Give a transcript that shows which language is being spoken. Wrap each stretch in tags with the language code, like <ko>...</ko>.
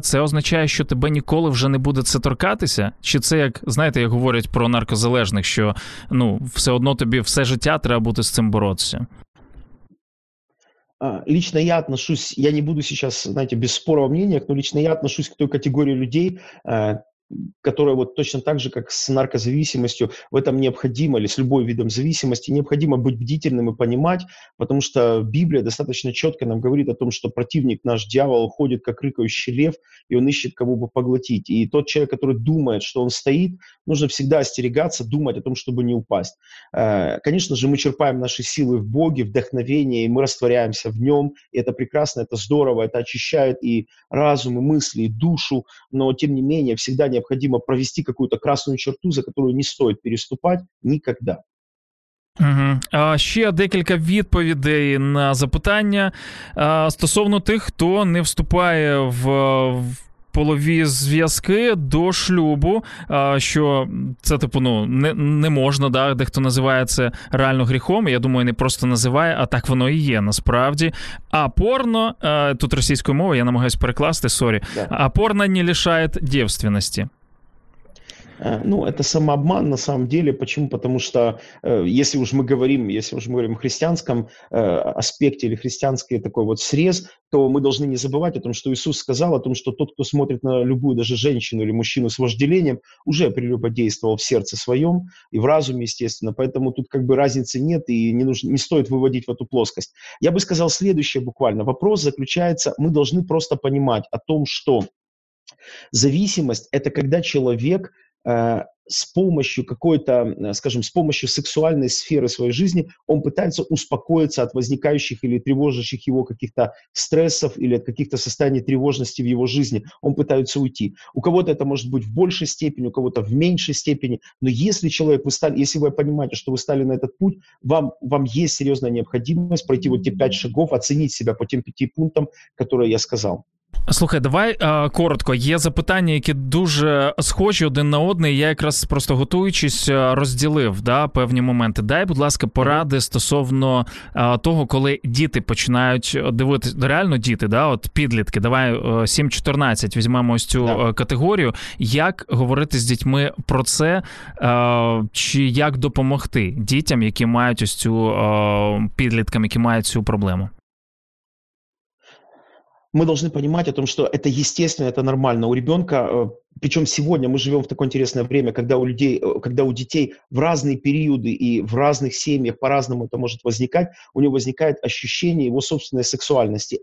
<uk>Це означає, що тебе ніколи вже не буде це торкатися? Чи це, як, знаєте, як говорять про наркозалежних, що, ну, все одно тобі все життя треба буде з цим боротися?</uk> <ru>Лично я отношусь, я не буду сейчас, знаєте, без спору о мнениях, но лично я отношусь к той категории людей, которая вот точно так же, как с наркозависимостью, в этом необходимо, или с любой видом зависимости, необходимо быть бдительным и понимать, потому что Библия достаточно четко нам говорит о том, что противник наш, дьявол, ходит, как рыкающий лев, и он ищет, кого бы поглотить. И тот человек, который думает, что он стоит, нужно всегда остерегаться, думать о том, чтобы не упасть. Конечно же, мы черпаем наши силы в Боге, вдохновение, и мы растворяемся в нем, и это прекрасно, это здорово, это очищает и разум, и мысли, и душу, но, тем не менее, всегда необходимо провести какую-то красную черту, за которую не стоит переступать никогда. Угу.</ru> <uk>Ще декілька відповідей на запитання стосовно тих, хто не вступає в полові зв'язки до шлюбу, що це, типу, ну, не можна, да, дехто називає це реально гріхом, я думаю, не просто називає, а так воно і є насправді. А порно, тут російською мовою, я намагаюсь перекласти, сорі, а порно не лишає дівственності.</uk> <ru>Ну, это самообман на самом деле. Почему? Потому что если уж мы говорим о христианском аспекте или христианский такой вот срез, то мы должны не забывать о том, что Иисус сказал о том, что тот, кто смотрит на любую даже женщину или мужчину с вожделением, уже прелюбодействовал в сердце своем и в разуме, естественно. Поэтому тут как бы разницы нет и не стоит выводить в эту плоскость. Я бы сказал следующее буквально. Вопрос заключается, мы должны просто понимать о том, что зависимость – это когда человек с помощью какой-то, скажем, с помощью сексуальной сферы своей жизни, он пытается успокоиться от возникающих или тревожащих его каких-то стрессов или от каких-то состояний тревожности в его жизни. Он пытается уйти. У кого-то это может быть в большей степени, у кого-то в меньшей степени. Но если человек, если вы понимаете, что вы стали на этот путь, вам есть серьезная необходимость пройти вот те 5 шагов, оценить себя по тем 5 пунктам, которые я сказал.</ru> <uk>Слухай, давай коротко. Є запитання, які дуже схожі один на один. Я якраз просто готуючись розділив, да, певні моменти. Дай, будь ласка, поради стосовно того, коли діти починають дивитися. Реально діти, да, от підлітки. Давай 7-14, візьмемо ось цю категорію. Як говорити з дітьми про це? Чи як допомогти дітям, які мають ось цю підліткам, які мають цю проблему?</uk> <ru>Мы должны понимать о том, что это естественно, это нормально. У ребенка, причем сегодня мы живем в такое интересное время, когда у детей в разные периоды и в разных семьях по-разному это может возникать, у него возникает ощущение его собственной сексуальности.</ru>